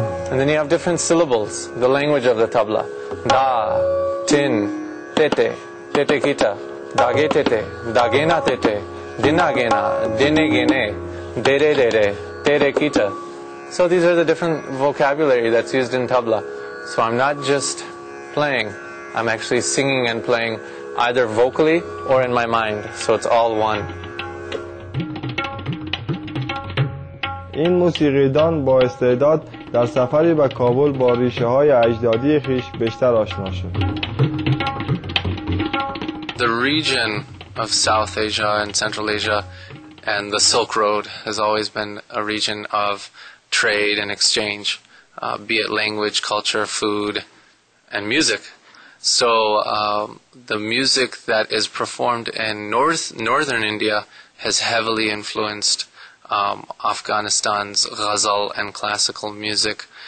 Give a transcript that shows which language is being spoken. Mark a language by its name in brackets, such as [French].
[English] And then you have different syllables, the language of the tabla. Da, tin, tete, tete kita, dage tete, dagena tete, dinagena, dinegene, dere dere, tere kita. So these are the different vocabulary that's used in tabla. So I'm not just playing, I'm actually singing and playing either vocally or in my mind. So it's all one. [Persian] این موسیقیدان با استعداد در سفری به کابل با ریشه های اجدادی خیش بیشتر آشنا شد. [English] The region of South Asia and Central Asia and the Silk Road has always been a region of trade and exchange, be it language, culture, food and music. So the music that is performed in northern India has heavily influenced Afghanistan's ghazal and classical music.